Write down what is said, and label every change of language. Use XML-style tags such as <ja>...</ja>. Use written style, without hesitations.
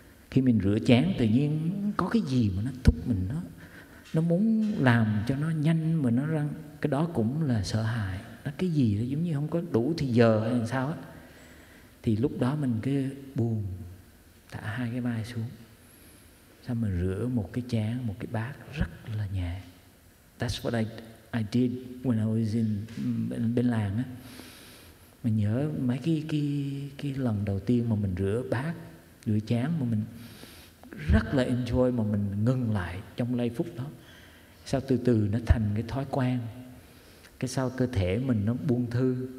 <vi>Khi mình rửa chén tự nhiên có cái gì mà nó thúc mình, nó muốn làm cho nó nhanh, mà nó răng. Cái đó cũng là sợ hãi. Nó cái gì đó giống như không có đủ thì giờ hay làm sao á. Thì lúc đó mình cứ buồn, thả hai cái vai xuống, xong mình rửa một cái chén, một cái bát rất là nhẹ.</vi> <en>That's what I did when I was in</en> <vi>bên làng á. Mình nhớ mấy cái lần đầu tiên mà mình rửa bát, rửa chén mà mình rất là enjoy, mà mình ngừng lại trong giây phút đó. Sau từ từ nó thành cái thói quen, cái sau cơ thể mình nó buông thư.</vi>